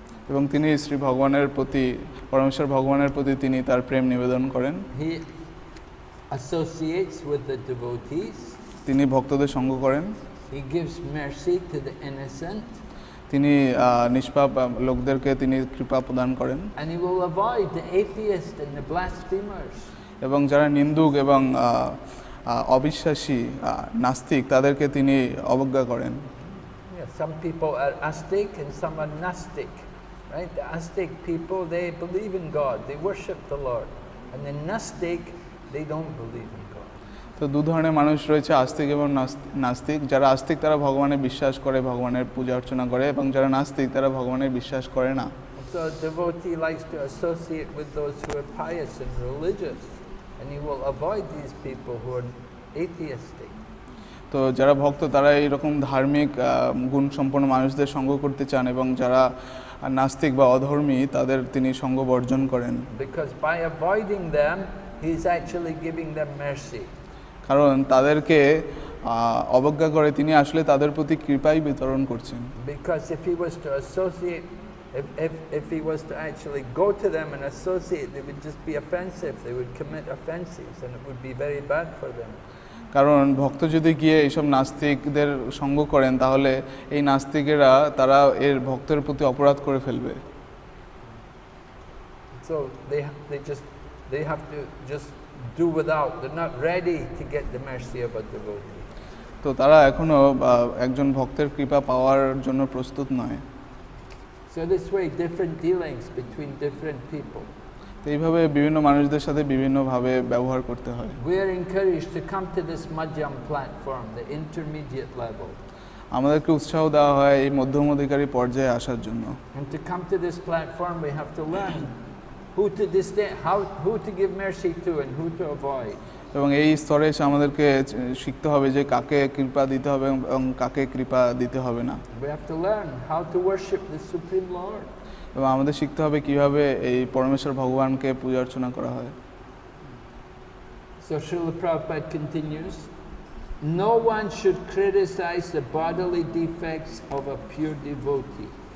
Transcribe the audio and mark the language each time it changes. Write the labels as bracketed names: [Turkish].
[Bangla] এবং তিনি শ্রী ভগবানের প্রতি পরমেশ্বর ভগবানের প্রতি তিনি তার প্রেম নিবেদন করেন। [English] He associates with the devotees. [Bangla] তিনি ভক্তদের সঙ্গ করেন। [English] He gives mercy to the innocent. [Bangla] তিনি নিষ্পাপ লোকদেরকে তিনি কৃপা প্রদান করেন। [English] And he will avoid the atheists and the blasphemers. [Bangla] এবং যারা নিন্দুক এবং অবিশ্বাসী নাস্তিক তাদেরকে তিনি অবজ্ঞা করেন। [English] Some people are astic and some are nastic. Right, the astic people, they believe in God, they worship the Lord, and the nastic, they don't believe in God. [Bangla] তো দু ধরনের মানুষ রয়েছে, আস্তিক এবং নাস্তিক। যারা আস্তিক তারা ভগবানের বিশ্বাস করে, ভগবানের পূজা অর্চনা করে, এবং যারা নাস্তিক তারা ভগবানের বিশ্বাস করে না। [English] So a devotee likes to associate with those who are pious and religious, and he will avoid these people who are atheistic. [Bangla] তো যারা ভক্ত তারা এইরকম ধার্মিক গুণ সম্পন্ন মানুষদের সঙ্গ করতে চান, এবং যারা নাস্তিক বা অধর্মী তাদের তিনি সঙ্গ বর্জন করেন। [English] Because by avoiding them, he is actually giving them mercy. [Bangla] কারণ তাদেরকে অবজ্ঞা করে তিনি আসলে তাদের প্রতি কৃপাই বিতরণ করছেন। [English] Because if he was to actually go to them and associate, they would just be offensive. They would commit offenses and it would be very bad for them. [Bangla] কারণ ভক্ত যদি গিয়ে এইসব নাস্তিকদের সঙ্গ করেন তাহলে এই নাস্তিকেরা তারা এর ভক্তের প্রতি অপরাধ করে ফেলবে। [English] So they have to just do without, they're not ready to get the mercy of a devotee. [Bangla] তো তারা এখনো একজন ভক্তের কৃপা পাওয়ার জন্য প্রস্তুত নয়। [English] So this way different dealings between different people. [Bangla] এইভাবে বিভিন্ন মানুষদের সাথে বিভিন্ন ভাবে ব্যবহার করতে হয়। [English] We are encouraged to come to this madhyam platform, the intermediate level. [Bangla] আমাদেরকে উৎসাহ দেওয়া হয় এই মধ্যম অধিকারী পর্যায়ে আসার জন্য। [English] And to come to this platform we have to learn who to give mercy to and who to avoid. [Bangla] এবং এই স্তরে এসে আমাদেরকে শিখতে হবে যে কাকে কৃপা দিতে হবে এবং কাকে কৃপা দিতে হবে না। [English] We have to learn how to worship the supreme lord. [Bangla] এবং আমাদের শিখতে হবে কীভাবে এই পরমেশ্বর ভগবানকে পূজা অর্চনা করা হয়। [English] So Srila Prabhupada continues, no one should criticize the bodily defects of a pure devotee.